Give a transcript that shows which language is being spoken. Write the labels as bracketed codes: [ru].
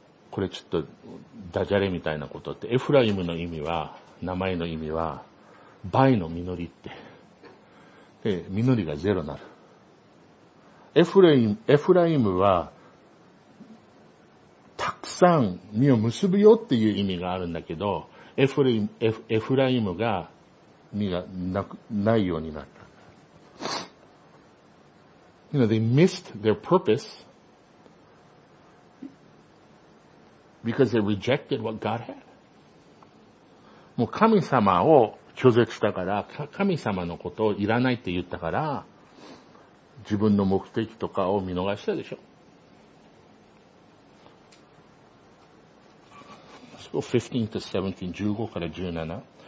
[ja] これちょっとダジャレみたいなことって、エフライムの意味は、名前の意味は、倍の実りって。で、実りがゼロになる。エフライムは、たくさん実を結ぶよっていう意味があるんだけど、エフライムが実がないようになった。 [en] You know, they missed their purpose because they rejected what God had. [ja] もう神様を拒絶したから、神様のことをいらないって言ったから、自分の目的とかを見逃したでしょ。 [en] So 15 to 17, [ja] 15から17。